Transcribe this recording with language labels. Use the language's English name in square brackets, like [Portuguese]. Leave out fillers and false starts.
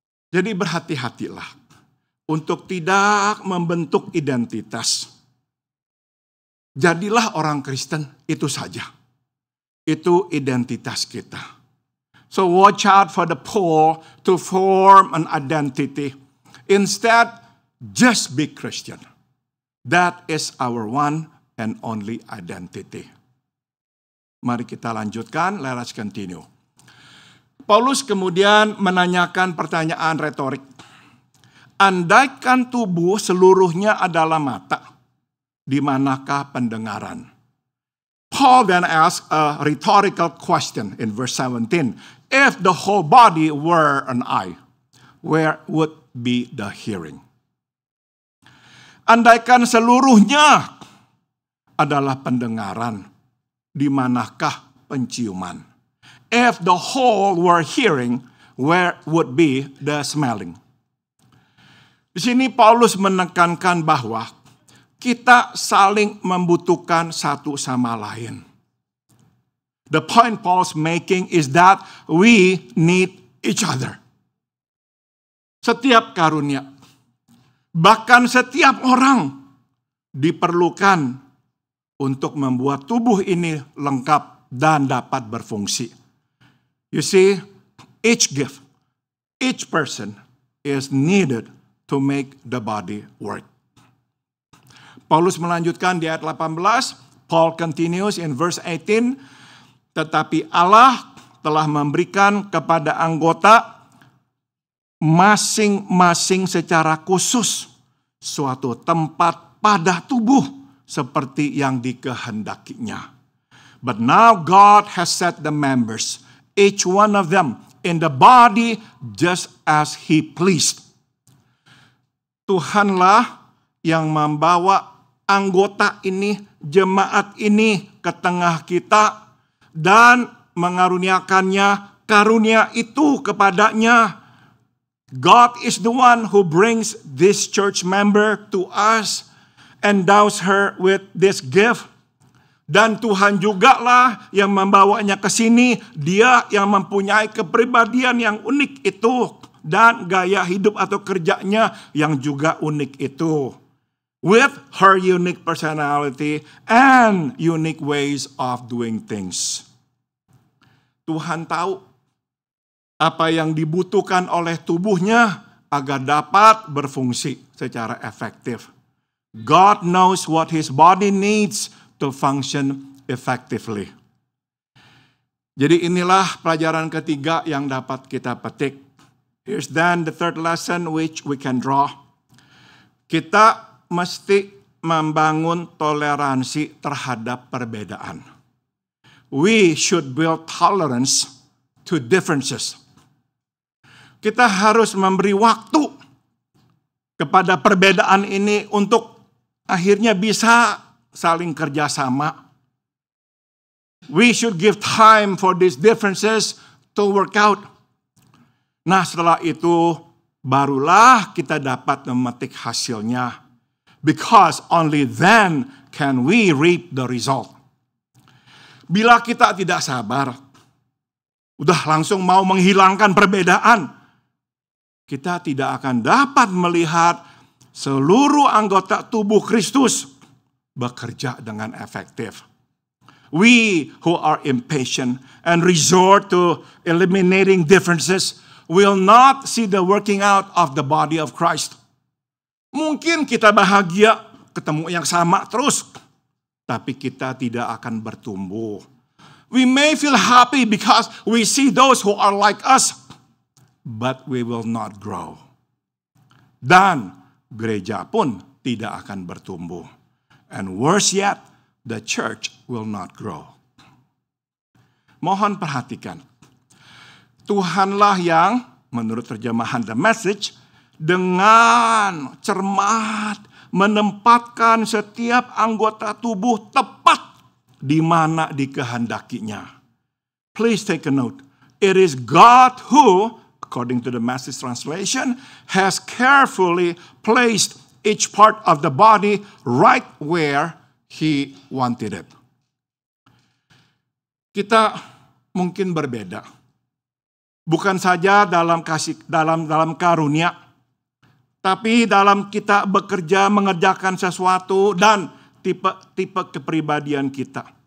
[Indonesian] Jadi berhati-hatilah untuk tidak membentuk identitas. Jadilah orang Kristen, itu saja. Itu identitas kita. [English] So watch out for the poor to form an identity. Instead, just be Christian. That is our one and only identity. [Indonesian] Mari kita lanjutkan, [English] let us continue. [Indonesian] Paulus kemudian menanyakan pertanyaan retorik. Andaikan tubuh seluruhnya adalah mata, di manakah pendengaran? [English] Paul then asks a rhetorical question in verse 17. If the whole body were an eye, where would be the hearing? [Indonesian] Andaikan seluruhnya adalah pendengaran, di manakah penciuman? [English] If the whole were hearing, where would be the smelling? [Indonesian] Di sini Paulus menekankan bahwa kita saling membutuhkan satu sama lain. [English] The point Paul's making is that we need each other. [Indonesian] Setiap karunia, bahkan setiap orang diperlukan untuk membuat tubuh ini lengkap dan dapat berfungsi. [English] You see, each gift, each person is needed to make the body work. [Indonesian] Paulus melanjutkan di ayat 18, [English] Paul continues in verse 18, [Indonesian] tetapi Allah telah memberikan kepada anggota masing-masing secara khusus suatu tempat pada tubuh seperti yang dikehendakinya. [English] But now God has set the members, each one of them, in the body just as he pleased. [Indonesian] Tuhanlah yang membawa anggota ini, jemaat ini ke tengah kita dan mengaruniakannya karunia itu kepadanya. [English] God is the one who brings this church member to us, endows her with this gift. [Indonesian] Dan Tuhan juga lah yang membawanya ke sini. Dia yang mempunyai kepribadian yang unik itu dan gaya hidup atau kerjanya yang juga unik itu. [English] With her unique personality and unique ways of doing things. [Indonesian] Tuhan tahu apa yang dibutuhkan oleh tubuhnya agar dapat berfungsi secara efektif. [English] God knows what his body needs to function effectively. [Indonesian] Jadi inilah pelajaran ketiga yang dapat kita petik. [English] Here's then the third lesson which we can draw. [Indonesian] Kita mesti membangun toleransi terhadap perbedaan. [English] We should build tolerance to differences. [Indonesian] Kita harus memberi waktu kepada perbedaan ini untuk akhirnya bisa saling kerjasama. [English] We should give time for these differences to work out. [Indonesian] Nah, setelah itu barulah kita dapat memetik hasilnya. [English] Because only then can we reap the result. [Indonesian] Bila kita tidak sabar, udah langsung mau menghilangkan perbedaan, kita tidak akan dapat melihat seluruh anggota tubuh Kristus bekerja dengan efektif. [English] We who are impatient and resort to eliminating differences will not see the working out of the body of Christ. [Indonesian] Mungkin kita bahagia ketemu yang sama terus, tapi kita tidak akan bertumbuh. [English] We may feel happy because we see those who are like us, but we will not grow. [Indonesian] Dan gereja pun tidak akan bertumbuh. [English] And worse yet, the church will not grow. [Indonesian] Mohon perhatikan, Tuhanlah yang menurut terjemahan The Message, dengan cermat menempatkan setiap anggota tubuh tepat di mana dikehendakinya. [English] Please take a note. It is God who, according to the Message translation, has carefully placed each part of the body right where he wanted it. [Indonesian] Kita mungkin berbeda. Bukan saja dalam karunia, tapi dalam kita bekerja, mengerjakan sesuatu, dan tipe-tipe kepribadian kita.